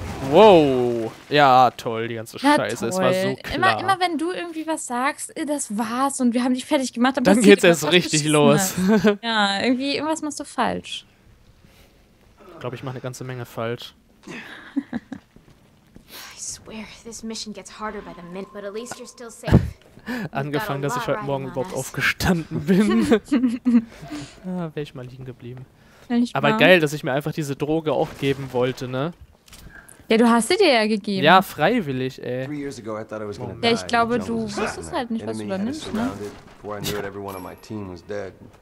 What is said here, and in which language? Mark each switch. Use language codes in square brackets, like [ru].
[de] Wow. Ja, toll, die ganze Scheiße. Toll. Es war so klar. Immer wenn du irgendwie was sagst, das war's und wir haben dich fertig gemacht, dann geht's erst richtig los. Ja, irgendwie, irgendwas machst du falsch. Ich glaube, ich mache eine ganze Menge falsch. [en] I swear, this mission gets harder by the minute, but at least you're still safe. [de] angefangen, dass ich heute Morgen überhaupt aufgestanden bin. Ah, wäre ich mal liegen geblieben. Aber geil, dass ich mir einfach diese Droge auch geben wollte, ne? Ja, du hast sie dir ja gegeben. Ja, freiwillig, ey. Ja, ich glaube, du wusstest halt nicht, was du da nimmst, ne?